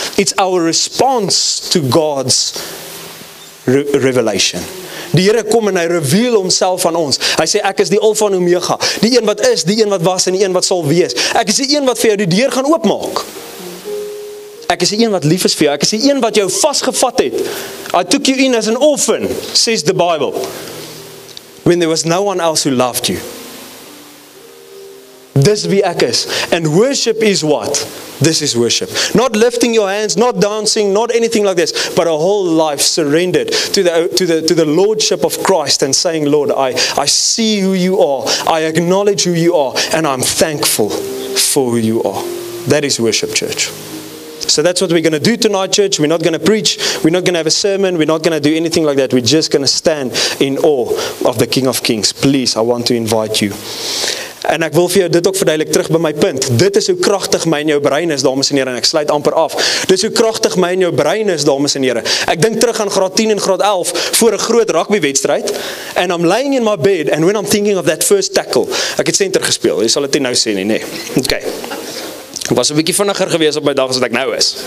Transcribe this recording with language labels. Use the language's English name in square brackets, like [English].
[English] It's our response to God's revelation. [Afrikaans] Die Here kom en hy reveal homself aan ons. Hy sê ek is die Alfa en Omega, die een wat is, die een wat was en die een wat sal wees. Ek is die een wat vir jou die deur gaan oopmaak. Ek is die een wat lief is vir jou. Ek is die een wat jou vasgevat het. [English] I took you in as an orphan, says the Bible, when there was no one else who loved you. [Afrikaans] Dis wie ek is. [English] And worship is what? This is worship. Not lifting your hands, not dancing, not anything like this, but a whole life surrendered to the lordship of Christ and saying, Lord, I see who you are, I acknowledge who you are, and I'm thankful for who you are. That is worship, church. So that's what we're going to do tonight, church. We're not going to preach, we're not going to have a sermon, we're not going to do anything like that. We're just going to stand in awe of the King of Kings. Please, I want to invite you. [Afrikaans] En ek wil vir jou dit ook verduidelik terug by my punt. Dit is hoe kragtig my en jou brein is, dames en here, en ek sluit amper af. Dit is hoe kragtig my en jou brein is, dames en here. Ek dink terug aan graad 10 en graad 11 voor 'n groot rugbywedstryd. [English] And I'm lying in my bed and when I'm thinking of that first tackle. [Afrikaans] Ek het center gespeel. Jy sal dit nou sê nie, nê. Okay. Ek was 'n bietjie vinniger geweest op my dag as wat ek nou is.